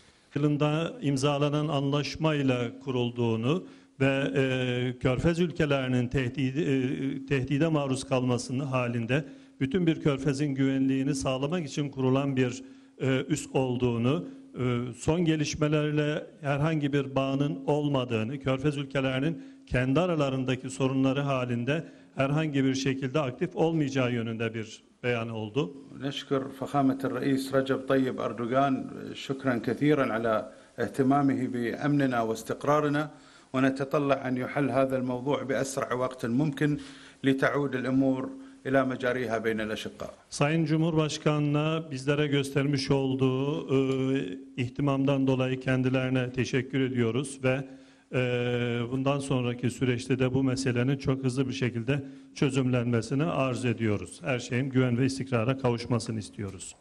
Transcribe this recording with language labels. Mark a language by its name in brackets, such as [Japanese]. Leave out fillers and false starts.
[Turkish] Kılında imzalanan anlaşmayla kurulduğunu ve Körfez ülkelerinin tehdide maruz kalmasını halinde bütün bir Körfez'in güvenliğini sağlamak için kurulan bir üs olduğunu, son gelişmelerle herhangi bir bağının olmadığını, Körfez ülkelerinin kendi aralarındaki sorunları halinde herhangi bir şekilde aktif olmayacağı yönünde bir beyan oldu. [Arabic] نشكر فخامة الرئيس رجب طيب أردوغان شكرا كثيرا على اهتمامه بأمننا واستقرارنا ونتطلع أن يحل هذا الموضوع بأسرع وقت ممكن لتعود الأمور إلى مجاريها بين الأشقاء. [Turkish] Sayın Cumhurbaşkanına bizlere göstermiş olduğu ihtimamdan dolayı kendilerine teşekkür ediyoruz ve bundan sonraki süreçte de bu meselenin çok hızlı bir şekilde çözümlenmesini arzu ediyoruz. Her şeyin güven ve istikrara kavuşmasını istiyoruz.